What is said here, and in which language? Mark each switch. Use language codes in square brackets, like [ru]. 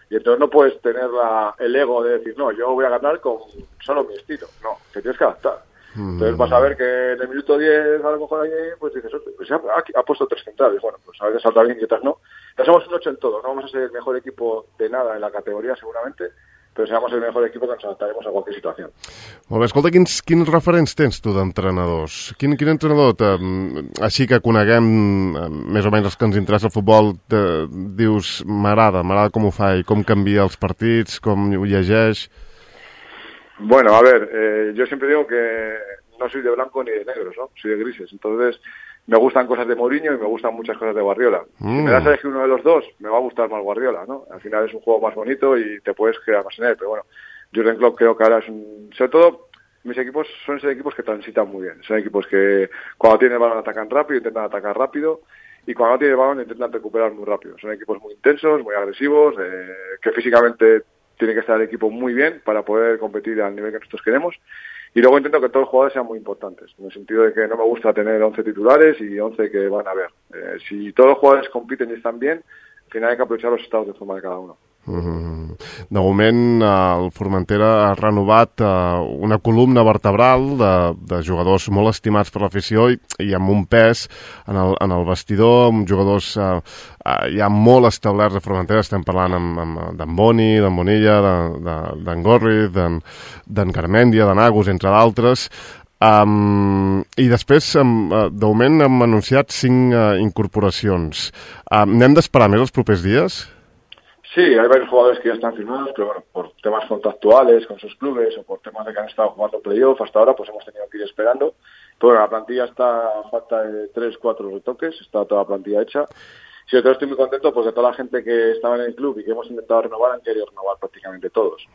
[es] Y entonces no puedes tener el ego de decir, no, yo voy a ganar con solo mi estilo. No, te tienes que adaptar. Entonces vas a ver que en el minuto 10, a lo mejor ahí, pues dices, pues ya ha puesto tres centrales. Bueno, pues a veces salta bien y otras no. Ya somos un 8 en todo. No vamos a ser el mejor equipo de nada en la categoría, seguramente. Però seamos el mejor equipo que nos adaptaremos a cualquier situación. [ca] Molt bé, escolta, quins referents tens tu d'entrenadors? Quin entrenador, així que coneguem més o menys els que ens interessa el futbol, dius, m'agrada com ho fa i com canvia els partits, com ho llegeix? [es] Bueno, a ver, yo siempre digo que no soy de blanco ni de negro, ¿no? Soy de grises. Entonces, me gustan cosas de Mourinho y me gustan muchas cosas de Guardiola. Si me das a elegir uno de los dos, me va a gustar más Guardiola, ¿no? Al final es un juego más bonito y te puedes quedar más en él. Pero bueno, Jürgen Klopp creo que ahora es un... Sobre todo, mis equipos son esos equipos que transitan muy bien. Son equipos que cuando tienen el balón atacan rápido, intentan atacar rápido. Y cuando no tienen el balón intentan recuperar muy rápido. Son equipos muy intensos, muy agresivos, que físicamente tiene que estar el equipo muy bien para poder competir al nivel que nosotros queremos. Y luego intento que todos los jugadores sean muy importantes, en el sentido de que no me gusta tener 11 titulares y 11 que van a ver. Si todos los jugadores compiten y están bien, al final hay que aprovechar los estados de forma de cada uno. [ca] De moment, el Formentera ha renovat una columna vertebral de jugadors molt estimats per l'afició i amb un pes en el vestidor, amb jugadors ja molt establerts de Formentera. Estem parlant d'en Boni, d'en Bonilla, d'en Gorri, d'en Garmendia, d'en Agus, entre d'altres. I després, de moment, hem anunciat 5 incorporacions. N'hem d'esperar més els propers dies? [es] Sí, hay varios jugadores que ya están firmados, pero bueno, por temas contractuales con sus clubes o por temas de que han estado jugando playoff hasta ahora, pues hemos tenido que ir esperando. Pero bueno, la plantilla está a falta de 3-4 retoques, está toda la plantilla hecha. Sí, yo creo que estoy muy contento porque toda la gente que estaba en el club y que hemos intentado renovar han querido renovar prácticamente todos.